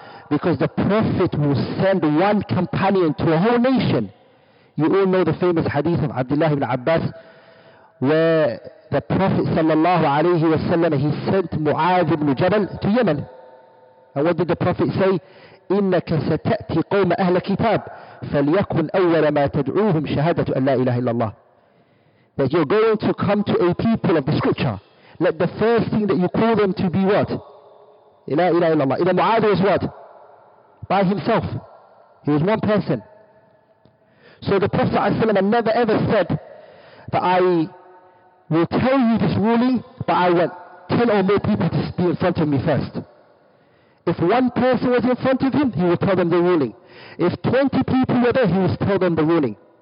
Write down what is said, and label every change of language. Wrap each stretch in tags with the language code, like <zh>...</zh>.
<en>Because the Prophet will send one companion to a whole nation. You all know the famous hadith of Abdullah ibn Abbas, where the Prophet sallallahu alayhi wa sallam, he sent Mu'adh ibn Jabal to Yemen. And what did the Prophet say?</en> <ar>إنك ستأتي قوم أهل كتاب فليكن أول ما تدعوهم شهادة أن لا إله إلا الله.</ar> <en>That you're going to come to a people of the scripture. Let the first thing that you call them to be what?</en> <ar>لا إله إلا الله. إذا معاذ</ar> <en>was what? By himself. He was one person. So the Prophet ﷺ never ever said that I will tell you this ruling, but I want 10 or more people to be in front of me first. If one person was in front of him, he would tell them the ruling. If 20 people were there, he would tell them the ruling.</en>